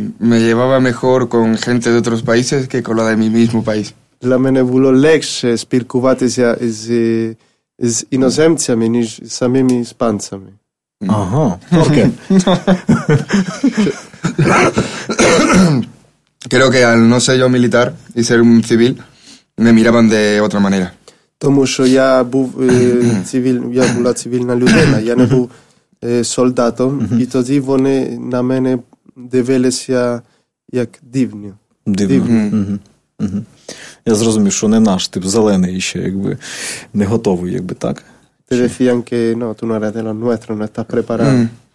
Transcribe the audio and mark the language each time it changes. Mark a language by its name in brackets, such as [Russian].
[Spanish] Me llevaba mejor con gente de otros países que con la de mi mismo país. [Ukrainian] La mene було легше спілкуватися з іноземцями, ніж з самими іспанцями. Ага, окей. [Spanish] Creo que al no ser yo militar y ser un civil, me miraban de otra manera. [Ukrainian] Тому що я був я була цивільна людина, я не був солдат, і тоді вони на мене дивилися як дивно. Дивно. Я зрозумів, що не наш, тип зелений ще, якби не готовий, якби так. [Spanish] Ти decían que no, tú no eres de los nuestros, no estás preparado.